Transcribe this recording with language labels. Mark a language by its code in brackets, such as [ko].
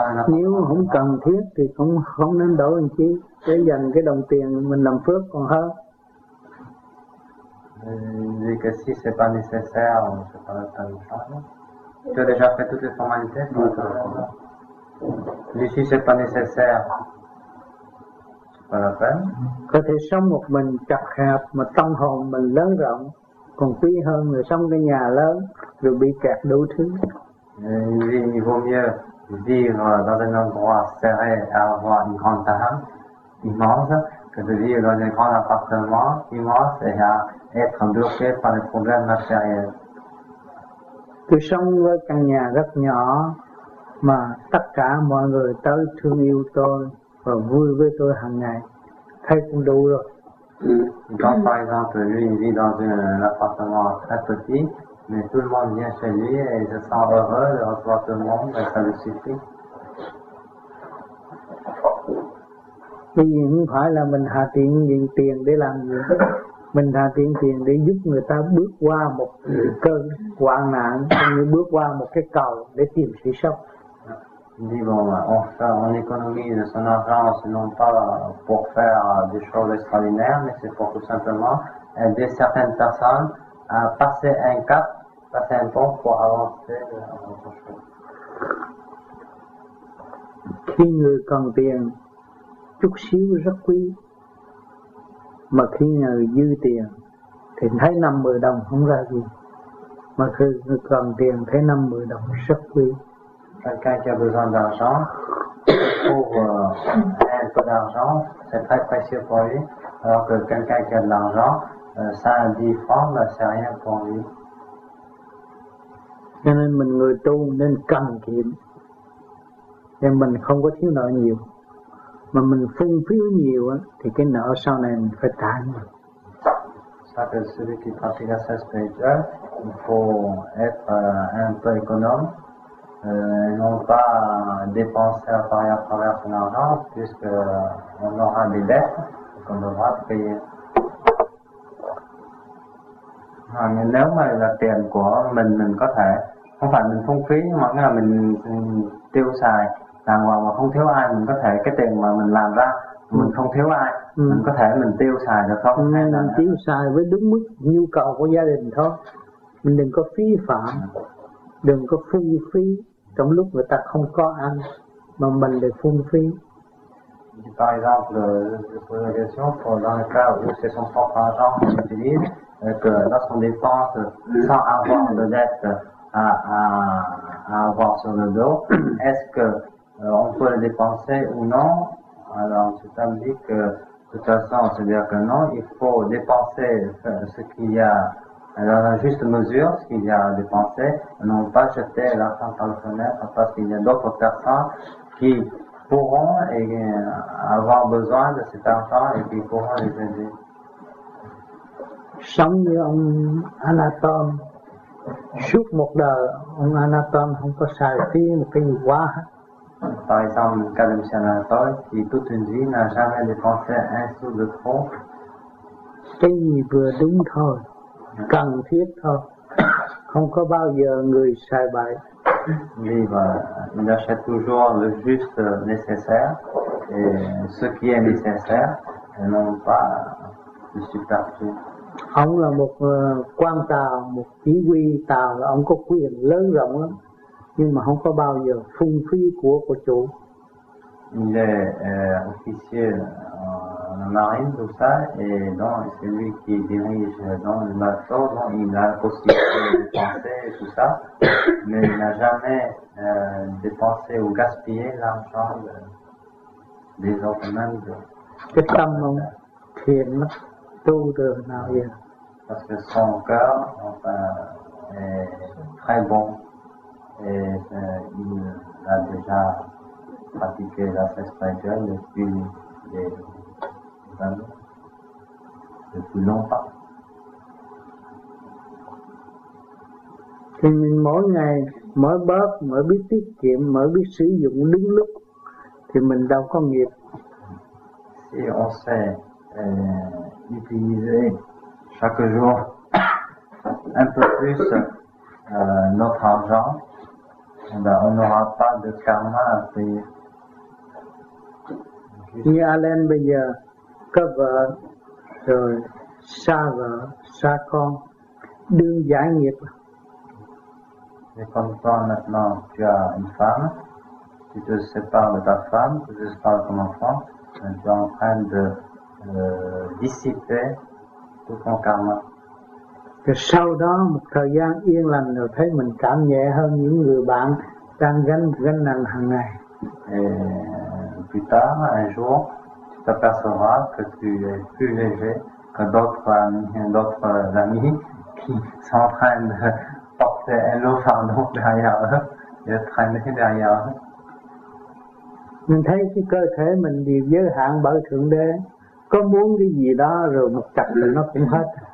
[vi] Nếu không cần thiết thì cũng không nên đổ làm chi, để dành cái đồng tiền mình làm phước còn hơn. [fr] Dit que si c'est pas nécessaire, c'est pas le temps de changer. Tu as déjà fait toutes les formalités? Dit si c'est pas nécessaire, c'est pas la peine. [vi] Có thể sống một mình chật hẹp mà tâm hồn mình lớn rộng còn quý hơn người sống cái nhà lớn rồi bị kẹt đủ thứ. [fr] Il vaut mieux vivre dans un endroit serré à avoir une grande table immense que de vivre dans un grand appartement immense et à être bloqué par les problèmes matériels. [vi] Tu sống với căn nhà rất nhỏ mà tất cả mọi người tới thương yêu tôi và vui với tôi hàng ngày, thấy cũng đủ rồi. [fr] Quand par exemple lui il vit dans un appartement très petit, mais tout le monde vient chez lui et il se sent heureux de recevoir tout le monde et ça lui suffit. [vi] Bây giờ không phải là mình hà tiện nhận tiền để làm gì, mình hà tiện tiền để giúp người ta bước qua một cơn hoạn nạn, cũng như bước qua một cái cầu để tìm sự sống. [fr] Disons, on économise son argent, non pas pour faire des choses extraordinaires, mais c'est pour tout simplement aider certaines personnes à passer un cap, passer un pont pour avancer dans autre chose. [vi] Khi người cần tiền, chút xíu rất quý. Mà khi người dư tiền, thì thấy 50 đồng không ra gì. Mà khi người cần tiền, thấy 50 đồng rất quý. [fr] Quelqu'un qui a besoin d'argent, trouve un peu d'argent, c'est très précieux pour lui. Alors que quelqu'un qui a de l'argent, 5-10 francs, ben, c'est rien pour lui. [vi] Cho nên mình người tu nên cần kiệm. Nên mình không có thiếu nợ nhiều. Mà mình phung phiếu nhiều thì cái nợ sau này mình phải trả nhiều. [fr] Ça que celui qui pratique la sagesse spirituelle, il faut être un peu économe. Non pas dépenser à part et à travers son argent, puisque on aura des dettes qu'on devra payer. Mais [vi] nếu mà là tiền của mình có thể, không phải mình phung phí, nhưng mà nghĩa là mình tiêu xài đàng hoàng mà không thiếu ai, mình có thể cái tiền mà mình làm ra mình không thiếu ai, mình có thể mình tiêu xài được không? Mình tiêu xài với đúng mức nhu cầu của gia đình thôi, mình đừng có phí phạm, đừng có phung phí trong lúc người ta không có ăn mà mình lại phung phí. [fr] Par exemple, je pose la question pour dans le cas où c'est son propre argent qu'on utilise et que lorsqu'on dépense sans avoir de dette à avoir sur le dos, est-ce que on peut le dépenser ou non? Alors, c'est à dire que de toute façon, c'est-à-dire que non, il faut dépenser ce qu'il y a. Alors, dans la juste mesure, ce qu'il y a à dépenser, non pas jeter l'argent par la fenêtre, parce qu'il y a d'autres personnes qui pourront et avoir besoin de cet argent et qui pourront les aider. [vi] Sống như ông Anatome, suốt một đời, ông Anatome không có xài phí một cái gì quá. [fr] Par exemple, le cas de M. Anatole, qui toute une vie n'a jamais dépensé un sou de trop. [vi] Cái gì vừa đúng thôi. Cần thiết thôi, không có bao giờ người sai bậy, [fr] libre. Il achète toujours le juste nécessaire et ce qui est nécessaire et non pas le superflu. [vi] Ông là một quan tàu, một chỉ huy tàu, là ông có quyền lớn rộng lắm, nhưng mà không có bao giờ phung phí của chủ. [fr] Il est officier en marine, tout ça, et donc c'est lui qui dirige dans le bateau, donc il a la possibilité de dépenser et tout ça, mais il n'a jamais dépensé ou gaspillé l'argent des autres membres. [vi] Cái tâm ông thiện lắm. Tu được nào vậy? [fr] Parce que son cœur est très bon et il a déjà pratiqué la cesse spirituelle depuis des années, depuis longtemps. [vi] Thì mình mỗi ngày mỗi bớt mỗi biết tiết kiệm mỗi biết sử dụng đúng lúc thì mình đâu có nghiệp. [fr] Si on sait utiliser chaque jour un peu plus notre argent, ben on n'aura pas de karma à payer. [vi] Như Alan bây giờ có vợ rồi xa vợ xa con đương giải nghiệp. [fr] Et comme toi maintenant tu as une femme, tu te sépares de ta femme, tu te sépares de ton enfant, et tu es en train de dissiper tout ton karma. [vi] Rồi sau đó một thời gian yên lành rồi thấy mình cảm nhẹ hơn những người bạn đang gánh nặng hàng ngày. [fr] Et plus tard, un jour, tu t'apercevras que tu es plus léger que d'autres amis qui sont en train de porter un lourd fardeau derrière eux, de traîner derrière eux. [vi] Mình thấy cái cơ thể mình bị giới hạn bởi Thượng Đế. Có muốn cái gì đó rồi một chặt là nó cũng hết.